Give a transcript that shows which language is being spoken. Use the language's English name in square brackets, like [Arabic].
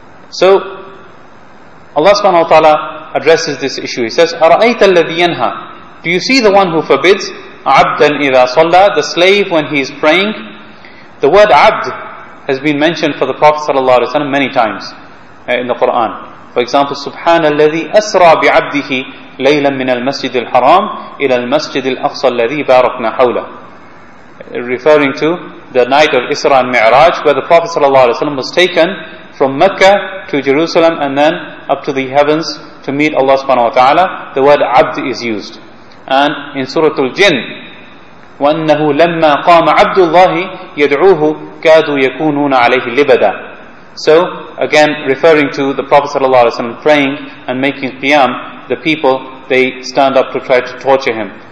[English] So Allah subhanahu wa ta'ala addresses this issue. He says, [Arabic] أَرَأَيْتَ الَّذِي يَنْهَى. [English] Do you see the one who forbids? [Arabic] عَبْدًا إِذَا صَلَّى. [English] The slave when he is praying. The word abd has been mentioned for the Prophet sallallahu alaihi wasallam many times in the Quran. For example, [Arabic] سُبْحَانَ الَّذِي أَسْرَى بِعَبْدِهِ لَيْلًا مِنَ الْمَسْجِدِ الْحَرَامِ إِلَى الْمَسْجِدِ الْأَقْصَى الَّذِي بَارَكْنَا حَوْلَهُ. [English] Referring to the night of Isra and Mi'raj, where the Prophet sallallahu alaihi wasallam was taken from Mecca to Jerusalem and then up to the heavens to meet Allah subhanahu wa ta'ala, the word abd is used. And in Surah Al-Jinn, [Arabic] وَأَنَّهُ لَمَّا قَامَ عَبْدُ اللَّهِ يَدْعُوهُ كَادُوا يَكُونُونَ عَلَيْهِ لِبَدًا. [English] So again, referring to the Prophet sallallahu alaihi wasallam praying and making qiyam, the people, they stand up to try to torture him.